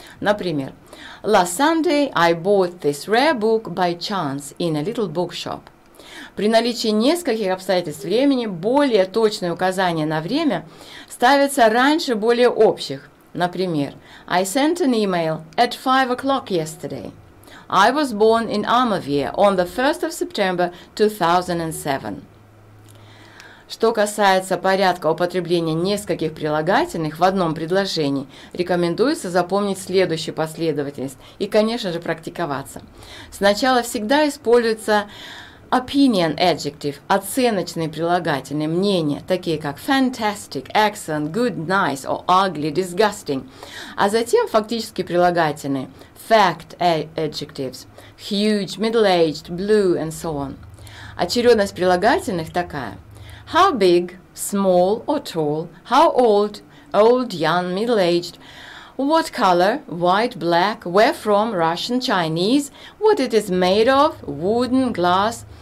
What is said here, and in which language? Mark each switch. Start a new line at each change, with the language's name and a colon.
Russian: Например,
English: «Last Sunday I bought this rare book by chance in a little bookshop».
Russian: При наличии нескольких обстоятельств времени более точные указания на время ставятся раньше более общих. Например,
English: «I sent an email at 5 o'clock yesterday». «I was born in Armavir on the 1st of September 2007».
Russian: Что касается порядка употребления нескольких прилагательных в одном предложении, рекомендуется запомнить следующую последовательность и, конечно же, практиковаться. Сначала всегда используется
English: opinion adjective,
Russian: оценочные прилагательные, мнения, такие как
English: fantastic, excellent, good, nice, or ugly, disgusting,
Russian: а затем фактически прилагательные
English: fact adjectives, huge, middle-aged, blue, and so on.
Russian: Очередность прилагательных такая.
English: How big, small or tall, how old, old, young, middle-aged, what color, white, black, where from, Russian, Chinese, what it is made of, wooden, glass.